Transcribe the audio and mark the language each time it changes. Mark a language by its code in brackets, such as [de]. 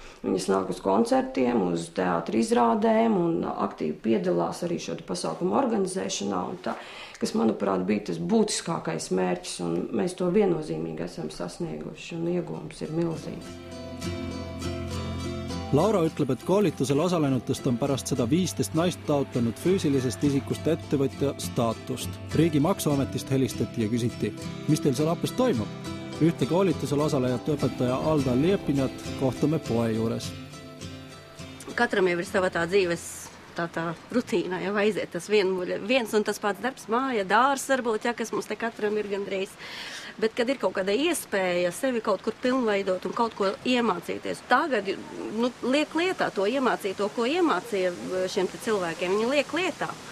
[lv] Viņas nāk uz koncertiem, uz teātri izrādēm un aktīvi piedalās arī šo pasākumu organizēšanā. Un tā, kas, manuprāt, bija tas būtiskākais mērķis un mēs to viennozīmīgi esam sasnieguši un iegūms ir milzīgs. [et] Laura ütleb, et koolitusel osalenutest on pärast seda 15 naist taotlenud füüsilisest isikust ettevõtja staatust. Riigi maksuametist helistati ja küsiti, mis teil seal appes toimub? Ühte koolitusel osalejat õpetaja Alda Liepinjat kohtame poe juures. [lv] Katram jau ir sava tā dzīves tā rutīna, ja vaiziet tas viens un tas pats darbs, māja, dārs varbūt, ja, kas mums te katram ir gandrīz. Bet, kad ir kaut kāda iespēja sevi kaut kur pilnveidot un kaut ko iemācīties, tagad nu, liek lietā to iemācīto, ko iemācīja šiem te cilvēkiem, viņi liek lietā.